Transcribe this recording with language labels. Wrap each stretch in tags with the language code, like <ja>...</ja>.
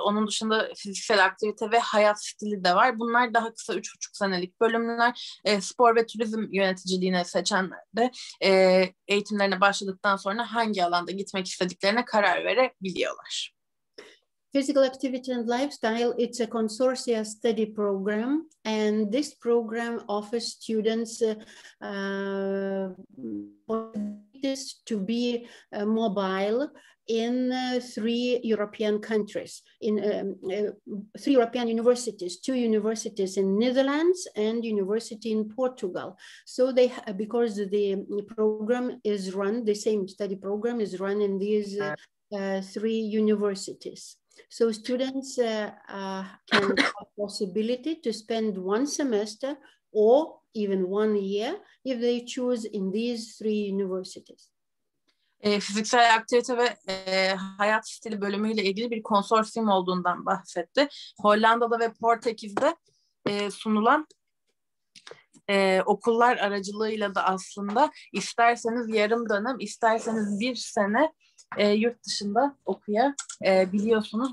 <tr>Onun dışında fiziksel aktivite ve hayat stili de var. Bunlar daha kısa 3,5 senelik bölümler. Spor ve turizm yöneticiliğine seçenler de eğitimlerine başladıktan sonra hangi alanda gitmek istediklerine karar verebiliyorlar.</tr> <en>Physical activity and lifestyle, it's a consortia study program, and this program offers students to be mobile in three European universities, two universities in Netherlands and university in Portugal. So they, because the program is run, the same study program is run in these three universities. So students can have possibility to spend one semester or even one year if they choose in these three universities.</en> <tr>Fiziksel aktivite ve hayat stili bölümüyle ilgili bir konsorsiyum olduğundan bahsetti. Hollanda'da ve Portekiz'de sunulan okullar aracılığıyla da aslında isterseniz yarım dönem, isterseniz bir sene yurt dışında okuyabiliyorsunuz.</tr>